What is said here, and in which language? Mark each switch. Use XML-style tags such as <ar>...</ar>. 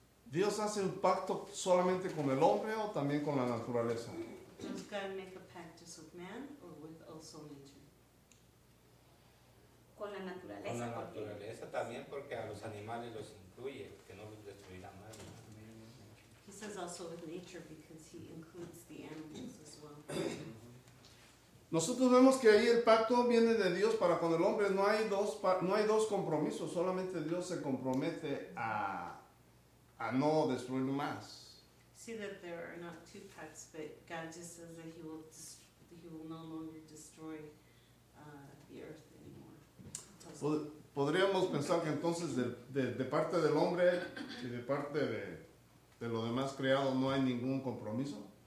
<es>¿Dios hace un pacto solamente con el hombre o también con la naturaleza?</es> <en>Does God make a pact just with man or with also nature?</en> <es>Con la naturaleza. Con la naturaleza también, porque a los animales los incluye, que no los destruirá más.</es> <en>He says also with nature because he includes the animals as well.</en> <es>Nosotros vemos que ahí el pacto viene de Dios para con el hombre. No hay dos compromisos, solamente Dios se compromete a no destruir más.</es> <en>See that there are not two pacts, but God just says that he will no longer destroy the earth anymore.</en> <es>Podríamos pensar que entonces de parte del hombre y de parte de lo demás creado no hay ningún compromiso.</es>